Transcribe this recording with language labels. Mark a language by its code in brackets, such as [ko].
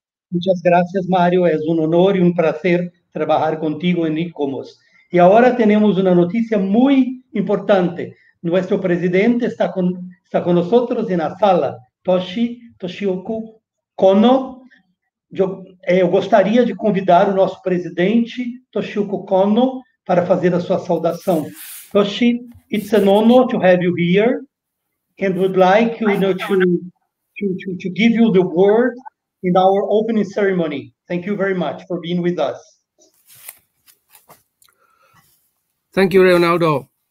[es] Muchas gracias, Mario. Es un honor y un placer trabajar contigo en ICOMOS. Y ahora tenemos una noticia muy importante. Nuestro presidente está con nosotros en la sala, Toshioko Kono. [pt] Eu gostaria de convidar o nosso presidente, Toshioko Kono, para fazer a sua saudação. [en] Toshi, it's an honor to have you here, and would like you know, to give you the word in our opening ceremony. Thank you very much for being with us. Thank you, Leonardo.